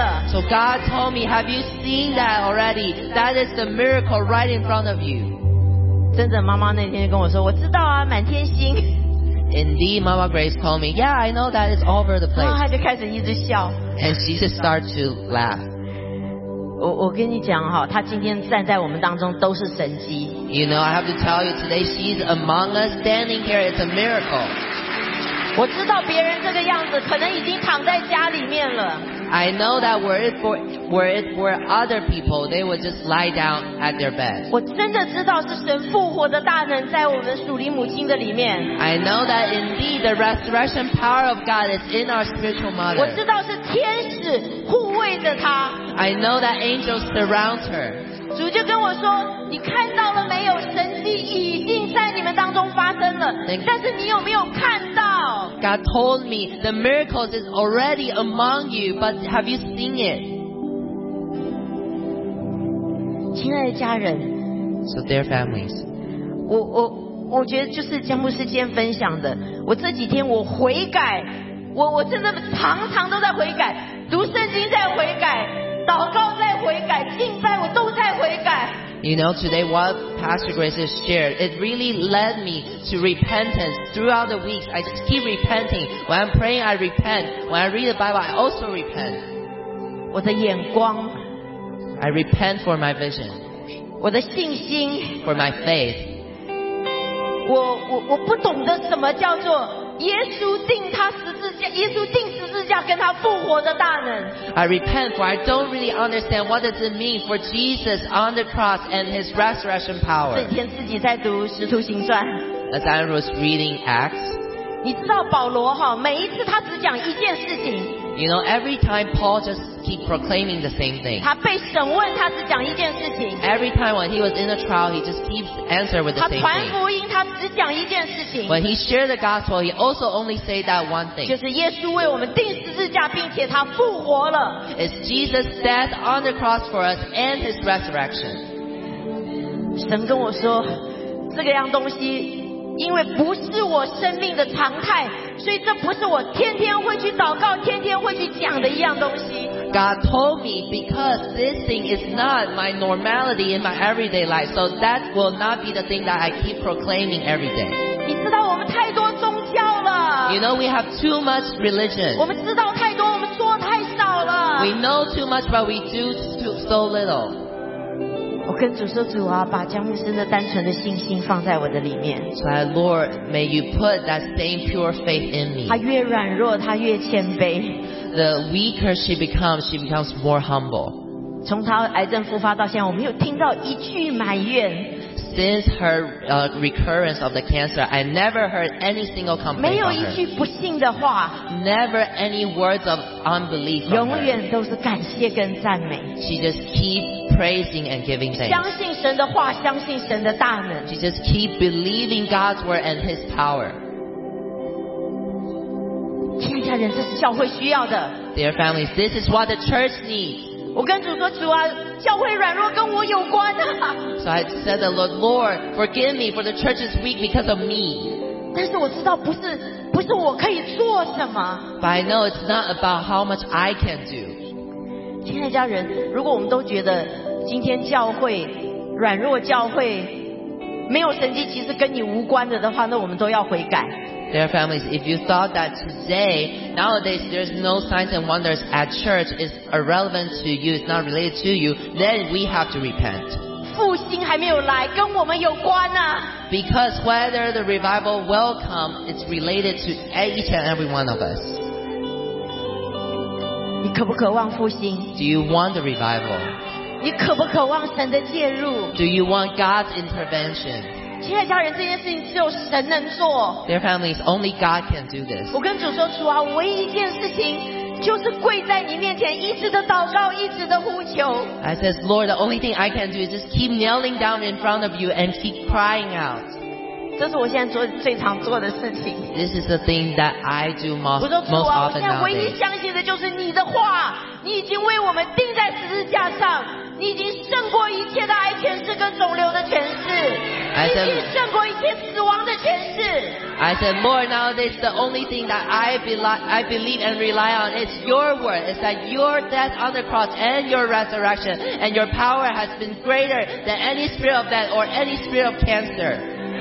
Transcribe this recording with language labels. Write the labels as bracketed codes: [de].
[en] So God told me, have you seen that already? That is the miracle right in front of you. [zh] 真的，妈妈那天跟我说，我知道啊，满天星。 [en] Indeed, Mama Grace told me, yeah, I know that it's all over the place. [zh] 她就开始一直笑。 [en] And she just started to laugh. [zh] 我跟你讲哈，她今天站在我们当中都是神迹。 [en] You know, I have to tell you today, she's among us standing here, it's a miracle. [zh] 我知道别人这个样子可能已经躺在家里面了。 [en] I know that were it for other people, they would just lie down at their bed. [zh] 我真的知道是神复活的大能在我们属灵母亲的里面。 [en] I know that indeed the resurrection power of God is in our spiritual mother. [zh] 我知道是天使护卫着她。 [en] I know that angels surround her. [zh] 主就跟我说，你看到了没有？神迹已经在你们当中发生了，但是你有没有看到 [en] ？God told me the miracles is already among you, but have you seen it? [zh] 亲爱的家人 [en] ，So dear families， [zh] 我觉得就是江牧师今天分享的，我这几天我悔改，我真的常常都在悔改，读圣经在悔改。祷告在悔改，敬拜我都在悔改。 [en] You know, today what Pastor Grace has shared, it really led me to repentance throughout the week. I just keep repenting. When I'm praying, I repent. When I read the Bible, I also repent. [zh] 我的眼光。 [en] I repent for my vision. [zh] 我的信心。 [en] For my faith. [zh] 我不懂得什么叫做。耶稣定他十字架，耶稣定十字架跟他复活的大能。 [en] I repent, for I don't really understand what does it mean for Jesus on the cross and his resurrection power. [zh] 这天自己在读《使徒行传》。 [en] As I was reading Acts. [zh] 你知道保罗哈，每一次他只讲一件事情。 [en] You know, every time Paul just keep proclaiming the same thing. [zh] 他被审问，他只讲一件事情。 [en] Every time when he was in a trial, he just keeps answer with the same thing. [zh] 他传福音，他只讲一件事情。 [en] When he shared the gospel, he also only say that one thing. [zh] 就是耶稣为我们钉十字架，并且他复活了。 [en] It's Jesus' death on the cross for us and his resurrection. [zh] 神跟我说，这个样东西。因为不是我生命的常态，所以这不是我天天会去祷告、天天会去讲的一样东西。 [en] God told me because this thing is not my normality in my everyday life, so that will not be the thing that I keep proclaiming every day. [zh] 你知道我们太多宗教了。 [en] You know we have too much religion. [zh] 我们知道太多，我们做太少了。 [en] We know too much, but we do so little. [zh] 我跟主说，主啊，把江牧师的单纯的信心放在我的里面。 [en] So Lord, may you put that same pure faith in me. [zh] 她越软弱，她越谦卑。 [en] The weaker she becomes more humble. [zh] 从她癌症复发到现在，我没有听到一句埋怨。 [en] Since her recurrence of the cancer, I never heard any single complaint. [zh] 没有一句不信的话。 [en] Never any words of unbelief. [zh] 永远都是感谢跟赞美。 [en] She just keeps praising and giving thanks. [zh] 相信神的话，相信神的大能。 [en] She just keeps believing God's word and His power. [zh] 亲爱的家人，这是教会需要的。 [en] Dear families, this is what the church needs. [zh] 我跟主说，主啊，教会软弱跟我有关啊。 [en] So I said to the Lord, forgive me for the church is weak because of me. [zh] 但是我知道不是我可以做什么。 [en] But I know it's not about how much I can do. [zh] 亲爱的家人，如果我们都觉得今天教会软弱，教会没有神迹，其实跟你无关的话，那我们都要悔改。 [en] Dear families, if you thought that today, nowadays, there's no signs and wonders at church, it's irrelevant to you, it's not related to you, then we have to repent. [zh] 复兴还没有来，跟我们有关啊。 [en] Because whether the revival will come, it's related to each and every one of us. [zh] 你渴不渴望复兴？ [en] Do you want the revival? [zh] 你渴不渴望神的介入？ [en] Do you want God's intervention? [zh] 亲爱的家人，这件事情只有神能做。 [en] Dear families, only God can do this. [zh] 我跟主说，主啊，唯一一件事情就是跪在你面前，一直的祷告，一直的呼求。 [en] I says, Lord, the only thing I can do is just keep kneeling down in front of you and keep crying out. [zh] 这是我现在做最常做的事情。 [en] This is the thing that I do most often nowadays. [zh] 我说主啊，我现在唯一相信的就是你的话。你已经为我们钉在十字架上，你已经胜过一切的癌权势跟肿瘤的权势，你已经胜过一切死亡的权势。 [en] I said, more nowadays, the only thing that I believe and rely on is your word. It's that your death on the cross and your resurrection and your power has been greater than any spirit of death or any spirit of cancer.